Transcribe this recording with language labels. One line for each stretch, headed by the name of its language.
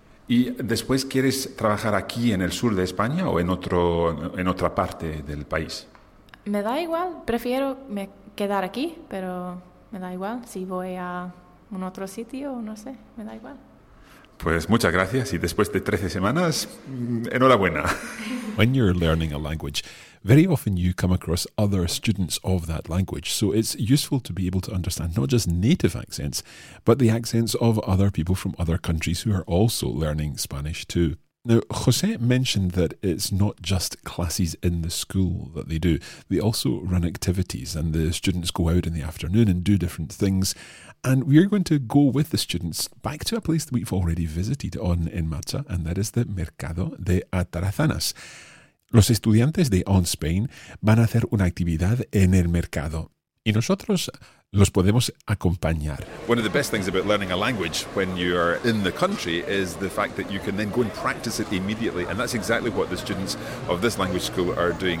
Spanish: ¿Y después quieres trabajar aquí en el sur de España o en otra parte del país? Me da igual, prefiero me quedar aquí, pero me da igual si voy a un otro sitio, no sé, me da igual. Pues muchas gracias y después de 13 semanas, enhorabuena.
English: When you're learning a language, very often you come across other students of that language, so it's useful to be able to understand not just native accents, but the accents of other people from other countries who are also learning Spanish too. Now, José mentioned that it's not just classes in the school that they do. They also run activities and the students go out in the afternoon and do different things. And we're going to go with the students back to a place that we've already visited on en Marcha, and that is the Mercado de Atarazanas.
Spanish: Los estudiantes de On Spain van a hacer una actividad en el mercado. Y nosotros los podemos acompañar.
English: One of the best things about learning a language when you are in the country is the fact that you can then go and practice it immediately. And that's exactly what the students of this language school are doing.